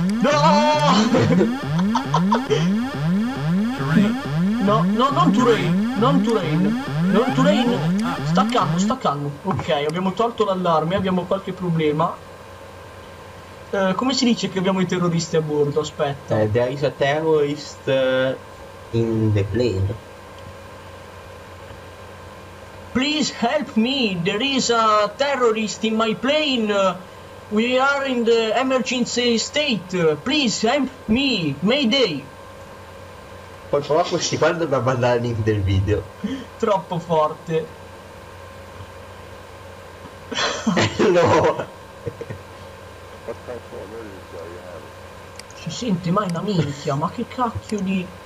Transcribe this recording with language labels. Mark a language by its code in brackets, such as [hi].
[it] No! No, no, non Turain. Staccando. Ok, abbiamo tolto l'allarme, abbiamo qualche problema. Come si dice che abbiamo i terroristi a bordo? Aspetta. [en] There is a terrorist in the plane. Please help me, there is a terrorist in my plane. We are in the emergency state. Please help me, mayday. [it] Poi però questi qua dobbiamo mandare il link del video. Troppo forte. No. Si sente mai una minchia, ma che cacchio di...